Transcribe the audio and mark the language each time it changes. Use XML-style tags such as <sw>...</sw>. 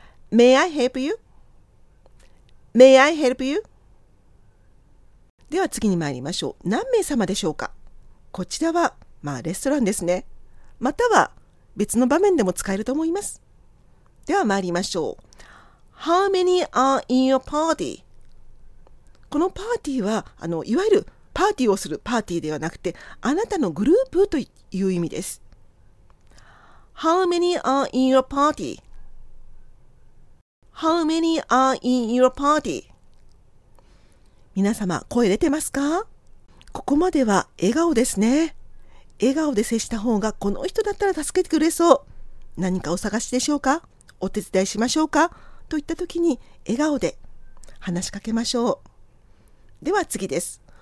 <en>May I help you? May I help you?</en> <ja>では次に参りましょう。何名様でしょうか。こちらはまあレストランですね。または別の場面でも使えると思います。では参りましょう。</ja> <en>How many are in your party?</en> <ja>このパーティーはいわゆるパーティーをするパーティーではなくて、あなたのグループという意味です。</ja> <en>How many are in your party? How many are in your party?</en> <ja>皆様声出てますか？ここまでは笑顔ですね。笑顔で接した方がこの人だったら助けてくれそう、何かお探しでしょうか、お手伝いしましょうかといった時に笑顔で話しかけましょう。では次です。</ja>